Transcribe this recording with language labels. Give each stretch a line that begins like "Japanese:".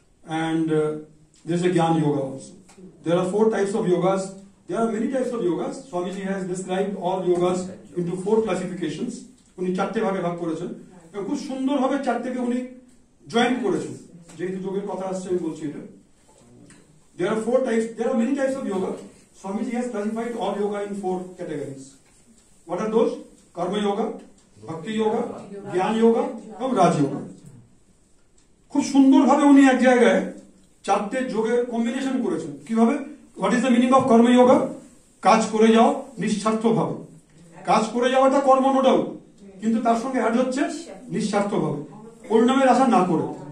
English: and there is a jnana yoga also there are four types of yogas there are many types of yogas Swamiji has describe all yogas in to four classifications
Bangla: উনি চারটে ভাগে ভাগ করেছেন এবং খুব সুন্দরভাবে চারটেকে উনি জয়েন করেছেন যেহেতু যোগের কথা আসছে আমি বলছি এটা
English: There are four types, there are many types of yoga. Swamiji has classified all yoga in four categories. What are those? Karma yoga,
Bangla: ভক্তি যোগ জ্ঞান যোগ এবং রাজযোগ খুব সুন্দর ভাবে উনি এক জায়গায় চারটে যোগের কম্বিনেশন করেছেন কিভাবে
English: what is the meaning of karma yoga
Bangla: কাজ করে যাও নিঃস্বার্থ ভাবে কাজ করে যাও এটা কর্ম নো ডাউট কিন্তু তার সঙ্গে অ্যাড হচ্ছে নিঃস্বার্থ ভাবে পরিণামের আশা না করে